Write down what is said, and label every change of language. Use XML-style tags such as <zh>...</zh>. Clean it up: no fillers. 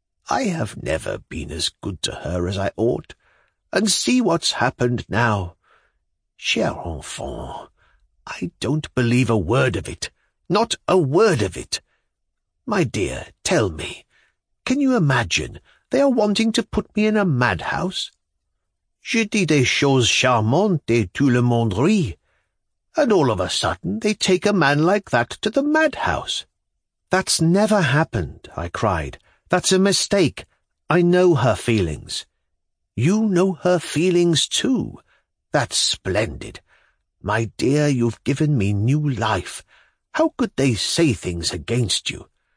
<en>I have never been as good to her as I ought, and see what's happened now.</en> <fr>Cher enfant,</fr> <en>I don't believe a word of it, not a word of it. My dear, tell me, can you imagine they are wanting to put me in a madhouse?</en> <fr>Je dis des choses charmantes et tout le monde rit.</fr> <en>And all of a sudden they take a man like that to the madhouse. That's never happened, I cried. That's a mistake. I know her feelings. You know her feelings too. That's splendid. My dear, you've given me new life. How could they say things against you?</en>